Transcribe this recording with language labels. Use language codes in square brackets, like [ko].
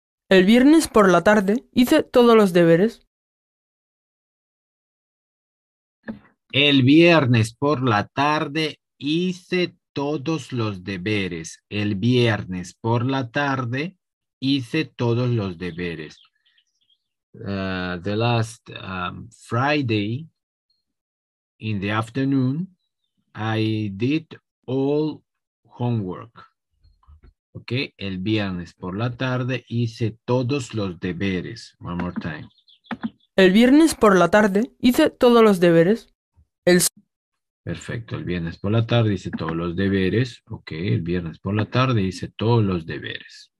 [es] El viernes por la tarde hice todos los deberes. El viernes por la tarde hice todos los deberes. El viernes por la tarde hice todos los deberes. [en] The last Friday in the afternoon I did all homework. [es] Ok, el viernes por la tarde hice todos los deberes. [en] One more time. [es] El viernes por la tarde hice todos los deberes. Perfecto, el viernes por la tarde hice todos los deberes. Ok, el viernes por la tarde hice todos los deberes.